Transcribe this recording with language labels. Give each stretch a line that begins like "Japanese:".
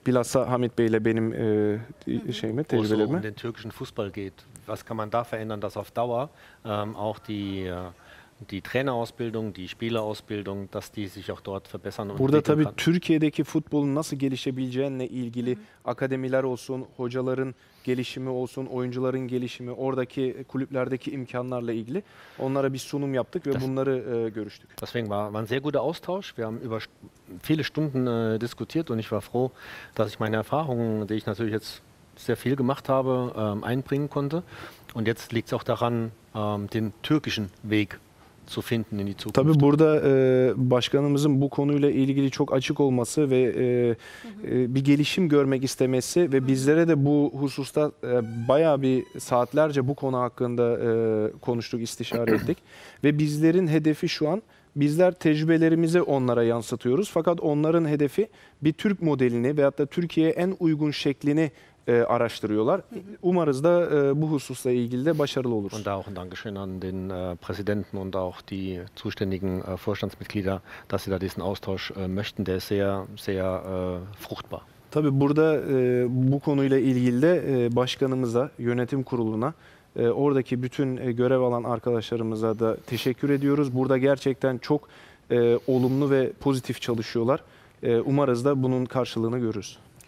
Turkish: Bilhassa Hamid Bey ile benim tecrübelerime.
German: Um den türkischen Fußball geht. Was kann man da verändern, dass auf Dauer auch die Trainerausbildung, die Spielerausbildung, dass die sich auch dort verbessern und
Turkish: burada tabii Türkiye'deki futbolun nasıl gelişebileceğine ilgili akademiler olsun, hocaların gelişimi olsun, oyuncuların gelişimi, oradaki kulüplerdeki imkanlarla ilgili onlara bir sunum yaptık ve bunları görüştük.
German: Deswegen war ein sehr guter Austausch. Wir haben über viele Stunden diskutiert und ich war froh, dass ich meine Erfahrungen, die ich natürlich jetzt sehr viel gemacht habe, einbringen konnte. Und jetzt liegt es auch daran, den türkischen Weg zu finden in die Zukunft.
Turkish: Tabii burada başkanımızın bu konuyla ilgili çok açık olması ve bir gelişim görmek istemesi ve bizlere de bu hususta bayağı bir saatlerce bu konu hakkında konuştuk, istişare ettik. Ve bizlerin hedefi şu an, bizler tecrübelerimizi onlara yansıtıyoruz. Fakat onların hedefi bir Türk modelini veyahut da Türkiye'ye en uygun şeklini araştırıyorlar. Umarız da bu hususla ilgili de başarılı oluruz.
German: Und da auch ein Dankeschön an den Präsidenten und auch die zuständigen Vorstandsmitglieder, dass sie da diesen Austausch möchten, der ist sehr sehr fruchtbar.
Turkish: Tabii burada bu konuyla ilgili de başkanımıza, yönetim kuruluna, oradaki bütün görev alan arkadaşlarımıza da teşekkür ediyoruz. Burada gerçekten çok olumlu ve pozitif çalışıyorlar. Umarız da bunun karşılığını görürüz.